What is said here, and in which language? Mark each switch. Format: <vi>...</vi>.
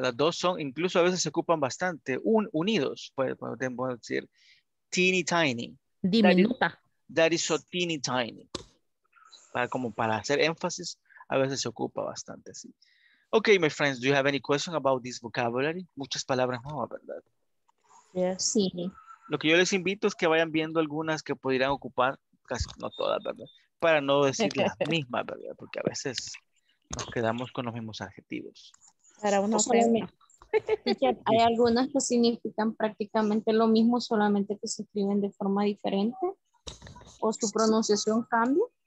<es>Las dos son, incluso a veces se ocupan bastante, unidos, podemos decir, teeny tiny. Diminuta.</es> <en>That is so teeny tiny.</en> <es>Para, como para hacer énfasis, a veces se ocupa bastante, sí.</es> <en>Ok, my friends, do you have any question about this vocabulary?</en> <es>Muchas palabras nuevas, ¿verdad? Sí. Lo que yo les invito es que vayan viendo algunas que pudieran ocupar, casi no todas, ¿verdad? Para no decir las mismas, ¿verdad? Porque a veces nos quedamos con los mismos adjetivos. Para uno solamente. Hay algunas que significan prácticamente lo mismo, solamente que se escriben de forma diferente o su pronunciación cambia.</es>